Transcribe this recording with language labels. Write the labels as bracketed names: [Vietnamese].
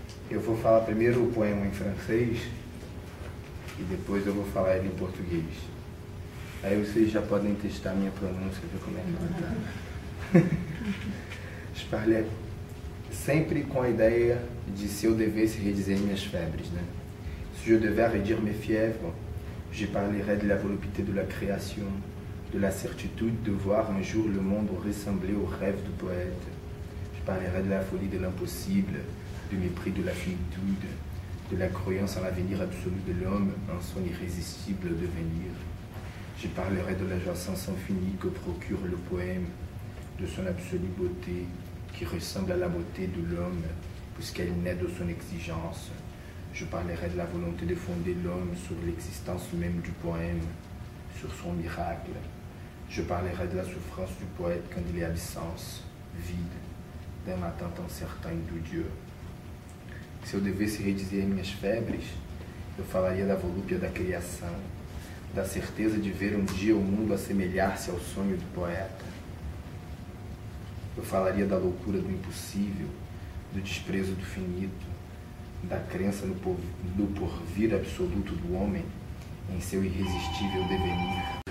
[Portuguese] Eu vou falar primeiro o poema em francês e depois eu vou falar ele em português. Aí vocês já podem testar minha pronúncia, ver como é que ela tá. Charlet, sempre com a ideia de se eu devesse redizer minhas febres, né? Se eu devesse [French] redire mes fièvres, je parlerais de la volupté de la création, de la certitude de voir un jour le monde ressembler au rêve du poète. Je parlerai de la folie de l'impossible, du mépris de la finitude, de la croyance en l'avenir absolu de l'homme, en son irrésistible devenir. Je parlerai de la joie sans fini que procure le poème, de son absolue beauté, qui ressemble à la beauté de l'homme, puisqu'elle naît de son exigence. Je parlerai de la volonté de fonder l'homme sur l'existence même du poème, sur son miracle. Je parlerai de la souffrance du poète quand il est absence, vide, d'un attente incertain de Dieu. [Portuguese] Se eu devesse redizer minhas febres, eu falaria da volúpia da criação, da certeza de ver um dia o mundo assemelhar-se ao sonho do poeta. Eu falaria da loucura do impossível, do desprezo do finito, da crença no porvir absoluto do homem em seu irresistível devenir.